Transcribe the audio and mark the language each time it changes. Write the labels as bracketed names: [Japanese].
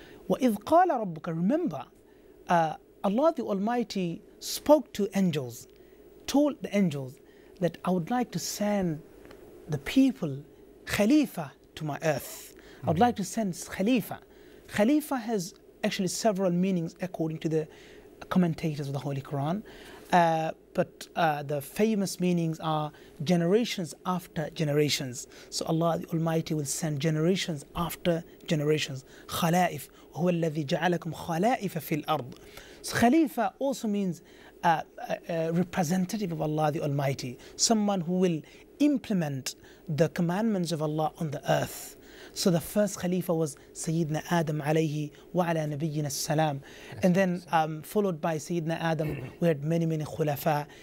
[Arabic] وَإِذْ قَالَ رَبُّكَ, [English] remember, Allah the Almighty spoke to angels, told the angels that I would like to send the people, Khalifa, to my earth. Mm-hmm. I would like to send Khalifa. Khalifa has actually several meanings according to the commentators of the Holy Quran. But the famous meanings are generations after generations. So Allah the Almighty will send generations after generations. [Arabic] خَلَائِف هو الذي جعلكم خَلَائِفَ فِي الْأَرْضِ. So Khalifa also means a representative of Allah the Almighty, someone who will implement the commandments of Allah on the earth. So the first Khalifa was Sayyidina Adam alayhi wa ala nabiyyina as-salam. And then followed by Sayyidina Adam, we had many, many khulafa.